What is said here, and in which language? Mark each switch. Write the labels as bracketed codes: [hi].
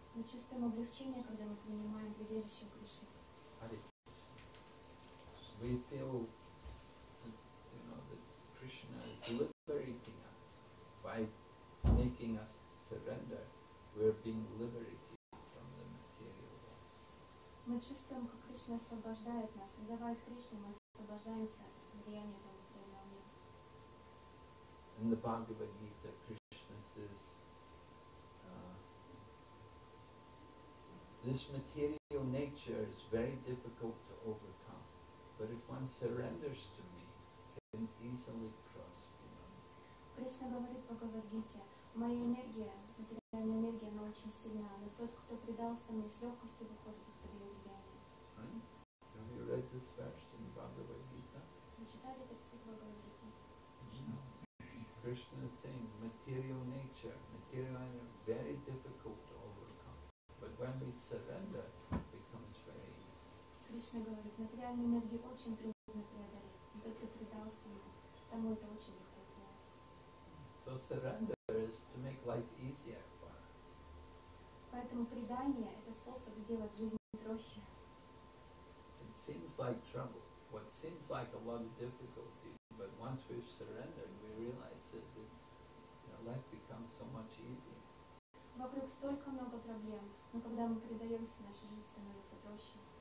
[ru] Мы чувствуем облегчение, когда мы принимаем прибежище Кришны. [en] We feel that, you know, that Krishna is liberating us by making us surrender. We're being liberated from the material world. [ru] Мы чувствуем, как Кришна освобождает нас. Предаваясь Кришне, мы освобождаемся от влияния этого материального мира. [en] In the Bhagavad Gita, Krishna says, this material nature is very difficult to overcome, but if one surrenders to me, it can easily cross beyond. [ru] Кришна говорит в Бхагавад-гите, моя энергия, материальная энергия, она очень сильна, но тот, кто предался мне, с легкостью выходит из-под ее влияния. [en] Have you read this verse in Bhagavad-gita? [ru] Вы читали этот стих в Бхагавад-гите? [en] Krishna is saying, material nature, material energy, very difficult to overcome. But when we surrender, it becomes very easy. [ru] Krishna говорит, материальную энергию очень трудно преодолеть. Но тот, кто предался ему, тому это очень легко сделать. [en] So surrender is to make life easier for us. [ru] Поэтому предание – это способ сделать жизнь проще. [en] It seems like trouble. What seems like a lot of difficulty. But once we've surrendered, we realize that life becomes so much easier. [ru] Вокруг столько много проблем, но когда мы предаемся, наша жизнь становится проще.